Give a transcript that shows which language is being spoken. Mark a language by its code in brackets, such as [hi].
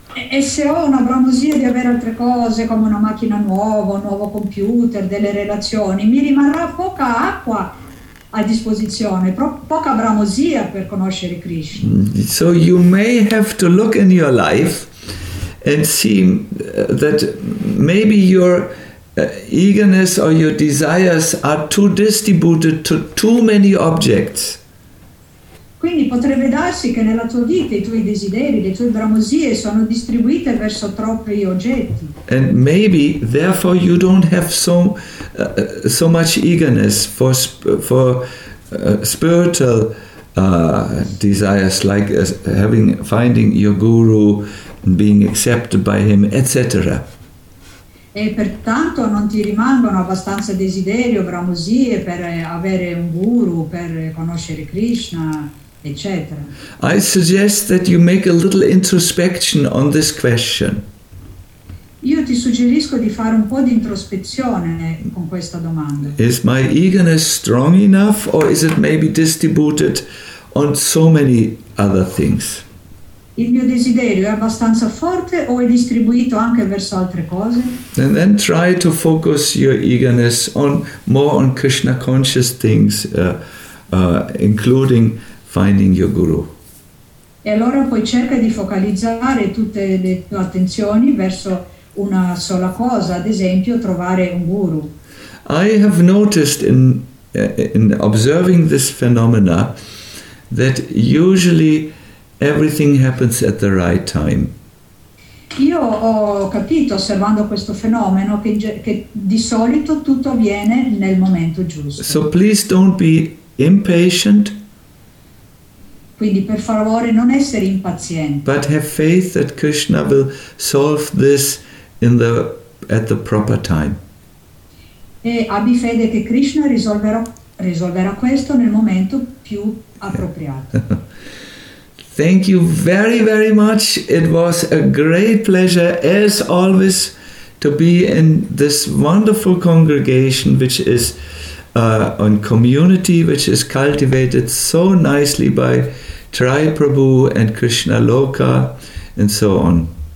[it] E se ho una bramosia di avere altre cose, come una macchina nuova, un nuovo computer, delle relazioni, mi rimarrà poca acqua a disposizione, poca bramosia per conoscere Krishna. [en] So you may have to look in your life and see that maybe your eagerness or your desires are too distributed to too many objects. [it] Quindi potrebbe darsi che nella tua vita i tuoi desideri, le tue bramosie sono distribuite verso troppi oggetti. [en] And maybe therefore you don't have so much eagerness for spiritual desires like finding your guru and being accepted by him, etc. [it] E pertanto non ti rimangono abbastanza desideri o bramosie per avere un guru, per conoscere Krishna, eccetera. [en] I suggest that you make a little introspection on this question. [it] Io ti suggerisco di fare un po' di introspezione con questa domanda. [en] Is my eagerness strong enough, or is it maybe distributed on so many other things? [it] Il mio desiderio è abbastanza forte o è distribuito anche verso altre cose? [en] And then try to focus your eagerness on more on Krishna conscious things, including finding your guru. [it] E allora poi cerca di focalizzare tutte le tue attenzioni verso una sola cosa, ad esempio trovare un guru. [en] I have noticed in observing this phenomena that usually everything happens at the right time. [it] Io ho capito osservando questo fenomeno che di solito tutto avviene nel momento giusto. [en] So please don't be impatient. [it] Quindi per favore non essere impaziente. [en] But have faith that Krishna will solve this at the proper time. [it] E abbi fede che Krishna risolverà questo nel momento più appropriato. [en] Thank you very, very much. It was a great pleasure, as always, to be in this wonderful congregation, which is a community which is cultivated so nicely by Tri Prabhu and Krishna Loka and so on.